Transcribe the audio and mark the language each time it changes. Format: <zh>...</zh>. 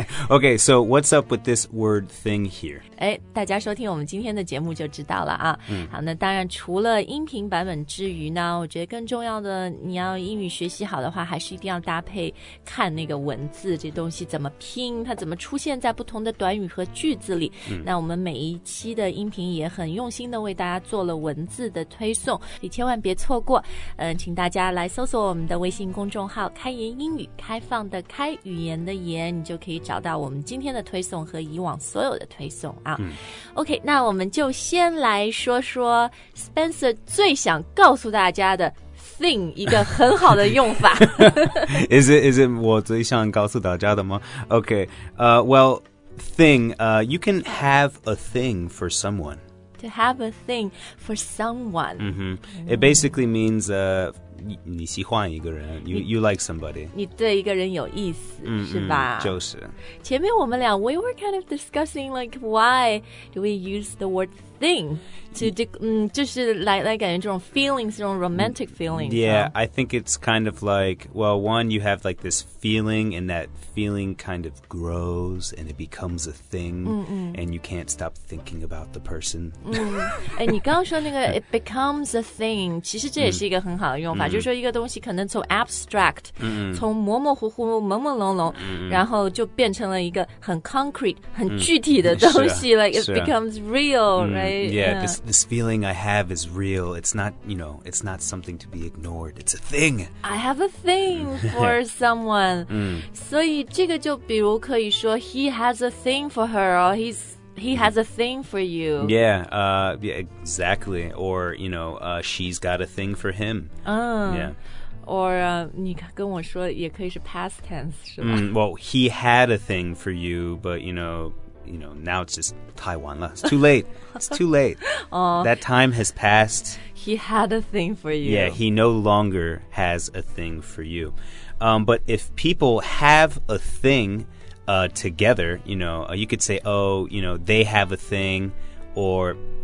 <en>Okay, so what's up with this word thing here?</en> <zh>哎，大家收听我们今天的节目就知道了啊。好，那当然除了音频版本之余呢，我觉得更重要的，你要英语学习好的话，还是一定要搭配看那个文字，这东西怎么拼，它怎么出现在不同的短语和句子里。那我们每一期的音频也很用心的为大家做了文字的推送，你千万别错过。请大家。大家来搜索我们的微信公众号开言英语开放的开语言的言你就可以找到我们今天的推送和以往所有的推送啊。 OK 那我们就先来说说 Spencer 最想告诉大家的 thing 一个很好的用法</zh> <en>is it</en> <zh>我最想告诉大家的吗</zh> <en>OK well thing you can have a thing for someone to have a thing for someone、 mm-hmm. it basically means</en> <zh>你喜欢一个人</zh> <en>you like somebody</en> <zh>你对一个人有意思、是吧就是前面我们俩</zh> <en>we were kind of discussing like why do we use the word thing to、</en> <zh>就是来感觉这种</zh> <en>feelings 这种 romantic feelings yeah、I think it's kind of like well one you have like this feeling and that feeling kind of grows and it becomes a thing、and you can't stop thinking about the person、</en> <zh>and 你刚刚说那个</zh> <en>it becomes a thing</en> <zh>其实这也是一个很好的用法、就是说一个东西可能从 abstract、从模模糊糊朦朦胧胧、然后就变成了一个很 concrete 很具体的东西、</zh> <en>like it becomes real、right yeah, yeah. This feeling I have is real it's not you know it's not something to be ignored it's a thing I have a thing for someone</en> <zh>所以这个就比如可以说</zh> <en>he has a thing for her or he has a thing for you yeah, yeah exactly or you know she's got a thing for him</en> <zh>or 你跟我说也可以是</zh> <en>past tense</en> <zh>是吧、</zh> <en>well he had a thing for you but you know, now it's just Taiwan. It's too late. That time has passed. He had a thing for you. Yeah, he no longer has a thing for you. But if people have a thing together, you could say, they have a thing or...</en>